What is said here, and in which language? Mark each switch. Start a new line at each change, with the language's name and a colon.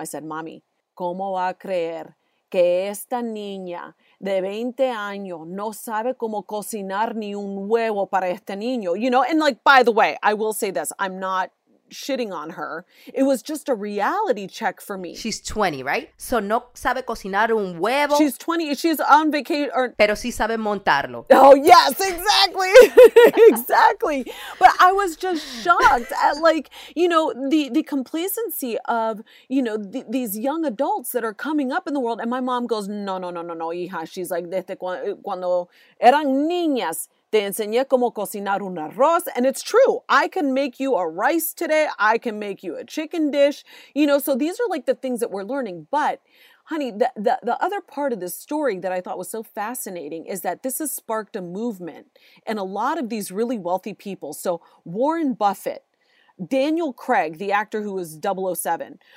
English: I said, mommy,
Spanish: ¿cómo va a creer que esta niña de 20 años no sabe cómo cocinar ni un huevo para este niño?
English: You know, and like, by the way, I will say this. I'm not shitting on her. It was just a reality check for me. She's 20, right? So
Spanish: no sabe cocinar un huevo.
English: She's 20. She's on vacation.
Spanish: Pero sí sabe montarlo.
English: Oh, yes, exactly. Exactly. But I was just shocked at, like, you know, the complacency of, you know, these young adults that are coming up in the world. And my mom goes,
Spanish: no, hija.
English: She's like,
Spanish: desde cuando eran niñas, te enseñé cómo cocinar un arroz.
English: And it's true. I can make you a rice today. I can make you a chicken dish. You know, so these are like the things that we're learning. But honey, the other part of this story that I thought was so fascinating is that this has sparked a movement and a lot of these really wealthy people. So Warren Buffett, Daniel Craig, the actor who is 007.